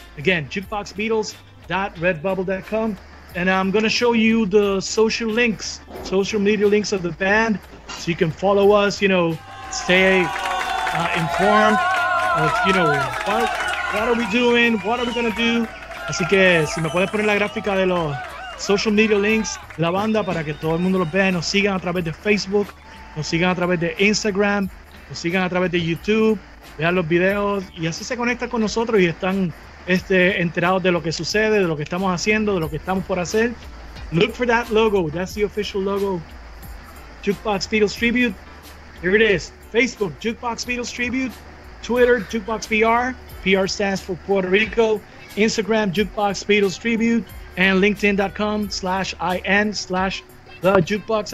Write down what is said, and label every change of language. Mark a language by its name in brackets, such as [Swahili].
[English] Again, jukeboxbeatles.redbubble.com. And I'm going to show you the social media links of the band. So you can follow us, you know, stay informed of, you know, what are we doing? What are we going to do? [Spanish] Así que si me puedes poner la gráfica de los social media links, la banda, para que todo el mundo los vea, nos sigan a través de Facebook, nos sigan a través de Instagram, nos sigan a través de YouTube, vean los videos y así se conectan con nosotros y están enterados de lo que sucede, de lo que estamos haciendo, de lo que estamos por hacer. [English] Look for that logo, that's the official logo. Jukebox Beatles Tribute, here it is. Facebook, Jukebox Beatles Tribute. Twitter, Jukebox PR. PR stands for Puerto Rico. Instagram, Jukebox Beatles Tribute. And linkedin.com/in/thejukebox.